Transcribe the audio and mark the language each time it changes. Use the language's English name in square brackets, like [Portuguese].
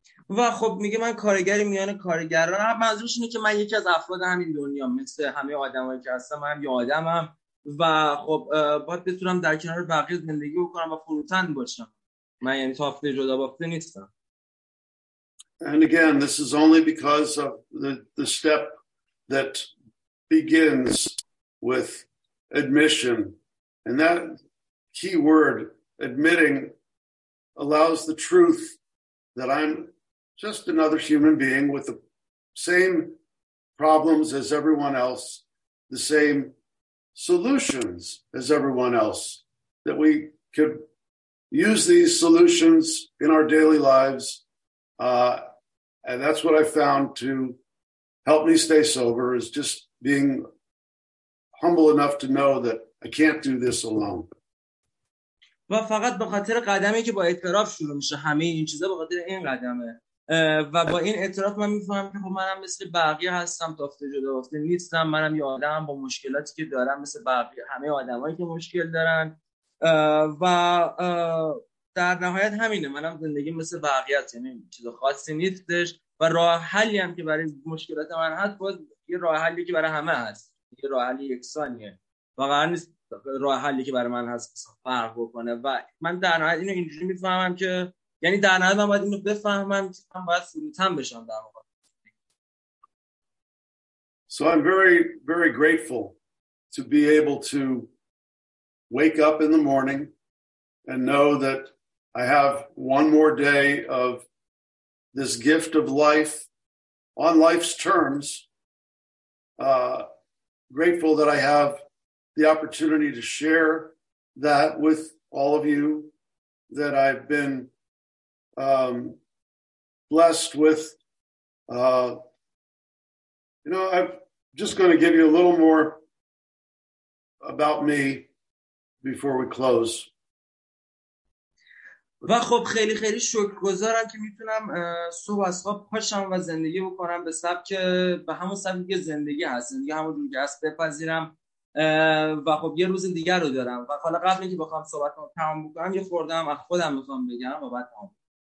[Persian] و خب میگه من کارگری میان کارگران، منظورش اینه که من یکی از افراد همین دنیا مثل همه آدمایی که هستم، من هم یه آدمم و خب باید بتونم در کنار بقیه زندگی بکنم و فروتن باشم. من یعنی تافته جدا بافته نیستم. [English] And again, this is only because of the step that begins with admission. And that key word, admitting, allows the truth that I'm just another human being with the same problems as everyone else, the same solutions as everyone else, that we could use these solutions in our daily lives. And that's what I found to help me stay sober, is just being humble enough to know that I can't do this alone. [Persian] و فقط به خاطر قدمی که با اعتراف شروع میشه، همه این چیزا به خاطر این قدمه و با این اعتراف من میفهمم که منم مثل بقیه هستم، تافته جدا بافته نیستم، منم یه آدمم با مشکلاتی که دارم مثل بقیه، همه آدمایی که مشکل دارن و در نهایت همینه، منم زندگی مثل بقیه هست، یعنی چیز خاصی نیستش و راه حلی هم که برای مشکلات من هست باز یه راه حلی که برای همه هست، یه راه حلی یکسانیه، واقعا نیست راه حلی که برای من هست فرق بکنه و من در نهایت اینو اینجوری میفهمم که، یعنی در نهایت من باید اینو بفهمم که من باید فروتن بشم در واقع. [English] So I'm very very grateful to be able to wake up in the morning and know that I have one more day of this gift of life on life's terms. Grateful that I have the opportunity to share that with all of you, that I've been blessed with. You know, I'm just going to give you a little more about me before we close. [Persian] و خب خیلی خیلی شکرگزارم که میتونم صبح از خواب پاشم و زندگی بکنم به سبک، به همون سبکی که زندگی هست، زندگی همون جوری که هست بپذیرم و خب یه روز دیگر رو دارم. و حالا قبل اینکه بخوام صحبت رو تمام بکنم، یه خوردم از خودم میخوام بگم و بعد تمام.